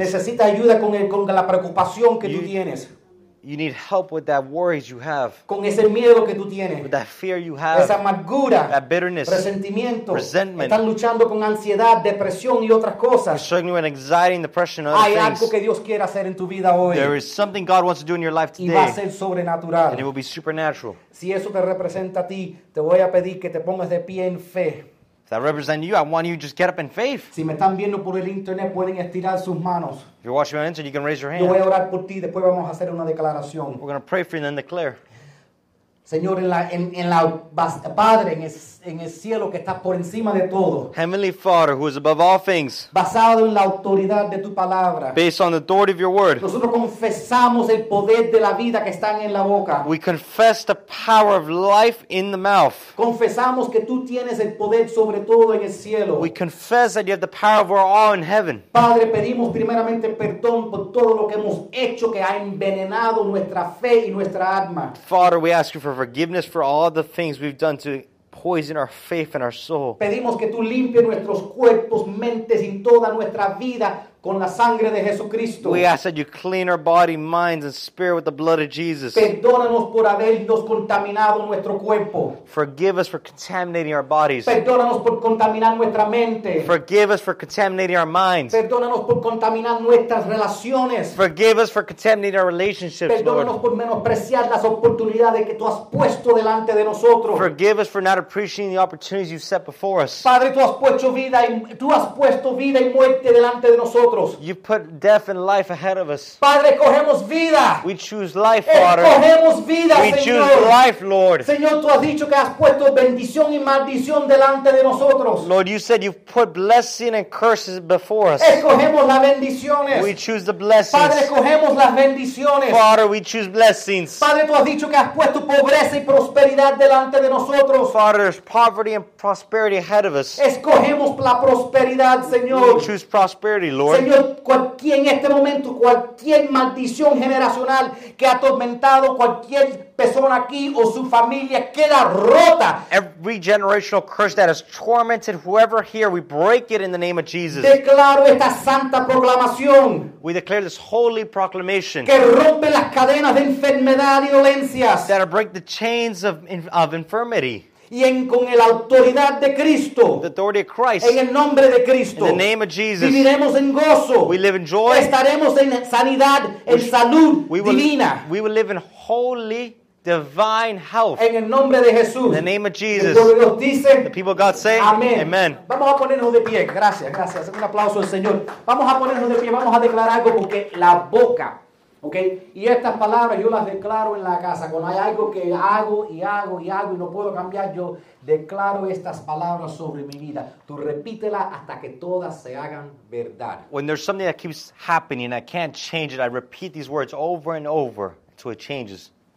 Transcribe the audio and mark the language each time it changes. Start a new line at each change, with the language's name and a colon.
Spanish: Necesita ayuda con la preocupación que tú tienes.
English: You need help with that worries you have.
Spanish: Con ese miedo que tú tienes.
English: With that fear you have.
Spanish: Esa amargura.
English: That bitterness.
Spanish: Resentimiento.
English: Resentment.
Spanish: Están luchando con ansiedad, depresión y otras cosas.
English: You're struggling with anxiety and depression and other things.
Spanish: Hay algo que Dios quiere hacer en tu vida hoy.
English: There is something God wants to do in your life today.
Spanish: Y va a ser sobrenatural.
English: And it will be supernatural.
Spanish: Si eso te representa a ti, te voy a pedir que te pongas de pie en fe.
English: If that represents you, I want you to just get up in faith.
Spanish: Si me están viendo por el internet, pueden estirar sus manos.
English: If you're watching on the internet, you can raise your hand.
Spanish: Yo voy a orar por ti, después vamos a hacer una declaración.
English: We're going to pray for you and then declare.
Spanish: Señor, en la Padre, en el cielo que estás por encima de todo.
English: Heavenly Father, who is above all things.
Spanish: Basado en la autoridad de tu palabra.
English: Based on the authority of your word.
Spanish: Nosotros confesamos el poder de la vida que está en la boca.
English: We confess the power of life in the mouth.
Spanish: Confesamos que tú tienes el poder sobre todo en el cielo.
English: We confess that you have the power over all in heaven.
Spanish: Padre, pedimos primeramente perdón por todo lo que hemos hecho que ha envenenado nuestra fe y nuestra alma.
English: Father, we ask you for forgiveness for all the things we've done to poison our faith and our soul.
Spanish: Pedimos que tú limpies nuestros cuerpos, mentes y toda nuestra vida con la sangre de Jesucristo.
English: We ask that you clean our body, minds, and spirit with the blood of Jesus.
Spanish: Perdónanos por habernos contaminado nuestro cuerpo.
English: Forgive us for contaminating our bodies.
Spanish: Perdónanos por contaminar nuestra mente.
English: Forgive us for contaminating our minds.
Spanish: Perdónanos por contaminar nuestras relaciones.
English: Forgive us for contaminating our relationships,
Spanish: Perdónanos Por menospreciar las oportunidades que tú has puesto delante de nosotros.
English: Forgive us for not appreciating the opportunities you've set before us.
Spanish: Padre, tú has puesto vida y muerte delante de nosotros.
English: You put death and life ahead of us.
Spanish: Padre, cogemos vida.
English: We choose life, Father.
Spanish: Cogemos vida,
English: we
Spanish: Señor.
English: Choose life, Lord.
Spanish: Señor, tú has dicho que has puesto bendición y maldición delante de nosotros.
English: Lord, you said you've put blessing and curses before us.
Spanish: Escogemos las bendiciones.
English: We choose the blessings.
Spanish: Padre, cogemos las bendiciones.
English: Father, we choose blessings.
Spanish: Padre, tú has dicho que has puesto pobreza y prosperidad delante de nosotros.
English: Father, there's poverty and prosperity ahead of us.
Spanish: Escogemos la prosperidad, Señor.
English: We choose prosperity, Lord.
Spanish: Señor, cualquier en este momento, cualquier maldición generacional que ha atormentado cualquier persona aquí o su familia queda rota.
English: Every generational curse that has tormented whoever here, we break it in the name of Jesus.
Spanish: Declaro esta santa proclamación.
English: We declare this holy proclamation.
Spanish: Que rompe las cadenas de enfermedad y dolencias.
English: That will break the chains of infirmity.
Spanish: Y con la autoridad de Cristo.
English: The authority of Christ.
Spanish: En el nombre de Cristo.
English: In the name of Jesus.
Spanish: Viviremos en gozo.
English: We live in joy.
Spanish: Estaremos en sanidad, en salud divina.
English: We will live in holy, divine health.
Spanish: En el nombre de Jesús.
English: In the name of Jesus.
Spanish: El pueblo dice,
English: the people of God say, amen. Amen.
Spanish: Vamos a ponernos de pie. Gracias, gracias. Un aplauso al Señor. Vamos a ponernos de pie. Vamos a declarar algo porque la boca... Okay, y estas palabras yo las declaro en la casa. Cuando hay algo que hago y hago y hago y no puedo cambiar, yo declaro estas palabras sobre mi vida. Tú repítelas hasta que todas se hagan verdad.
English: When there's something that keeps happening and I can't change it, I repeat these words over and over until it changes.